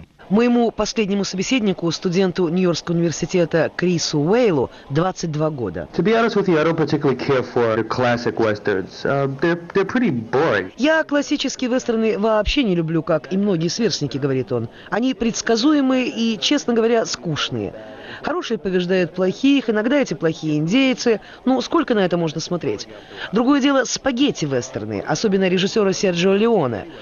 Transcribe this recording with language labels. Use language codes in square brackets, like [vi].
[ru] Моему последнему собеседнику, студенту Нью-Йоркского университета Крису Уэйлу, 22 года. [en] To be honest with you, I don't particularly care for classic westerns. They're pretty boring. [ru] Я классические вестерны вообще не люблю, как и многие сверстники, говорит он. Они предсказуемые и, честно говоря, скучные. Хорошие побеждают плохих, иногда эти плохие индейцы. Ну, сколько на это можно смотреть? Другое дело спагетти-вестерны, особенно режиссера Серджио Леоне.